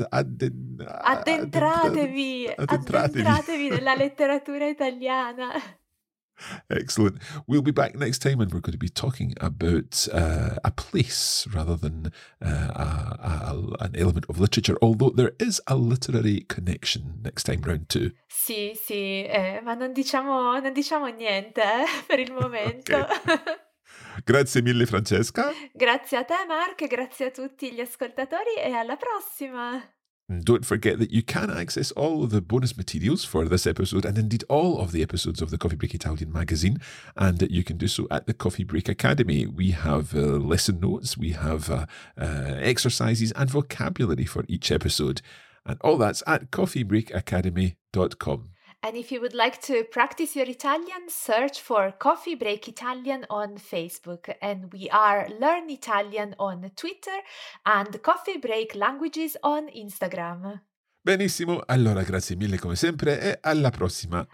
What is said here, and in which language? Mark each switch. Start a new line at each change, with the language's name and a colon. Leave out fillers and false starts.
Italian: Addentratevi nella letteratura italiana.
English: Excellent. We'll be back next time, and we're going to be talking about a place rather than an element of literature, although there is a literary connection next time round too.
Italian: Sì, sì, ma non diciamo niente per il momento.
English: Okay.
Italian: Grazie mille Francesca. Grazie a te Mark, grazie a tutti gli ascoltatori e alla prossima.
English: Don't forget that you can access all of the bonus materials for this episode and indeed all of the episodes of the Coffee Break Italian magazine, and you can do so at the Coffee Break Academy. We have lesson notes, we have exercises and vocabulary for each episode, and all that's at coffeebreakacademy.com. And if you would like to practice your Italian, search for Coffee Break Italian on Facebook. And we are Learn Italian on Twitter and Coffee Break Languages on Instagram.
Italian: Benissimo. Allora, grazie mille come sempre e alla prossima.